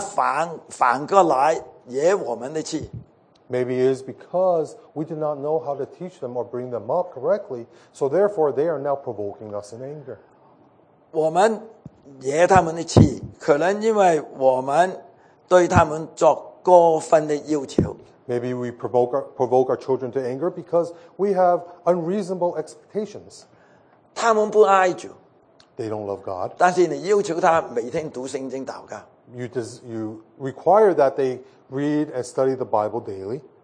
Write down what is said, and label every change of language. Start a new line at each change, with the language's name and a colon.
Chinese: 可能因为我们不晓得教导他们，所以现在他反过来惹我们的气。
English: Maybe it is because we did not know how to teach them or bring them up correctly, so therefore they are now provoking us in anger.
Chinese: 我们惹他们的气，可能因为我们对他们做过分的要求。
English: Maybe we provoke our children to anger because we have unreasonable expectations.
Chinese: 他们不爱主。
English: They don't love God.
Chinese: 但是你要求他每天读圣经祷告。
English: You require that they read and study the Bible daily.